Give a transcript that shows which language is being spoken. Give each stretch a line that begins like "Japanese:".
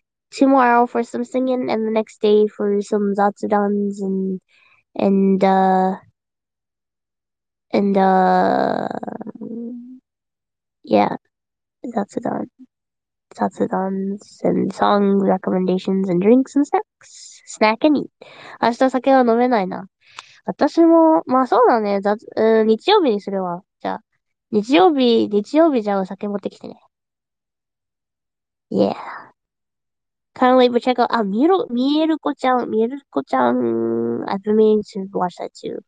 English: Tomorrow for some singing and the next day for some zatsudans and zatsudans and song recommendations and drinks and snacks. Snack and eat.
Japanese: 明日酒は飲めないな。私も、まあそうだね、日曜日にするわ。じゃあ、日曜日じゃあお酒持ってきてね。
English: Yeah. Kind of late, but check out, Mieruko-chan, I've been meaning to watch that too.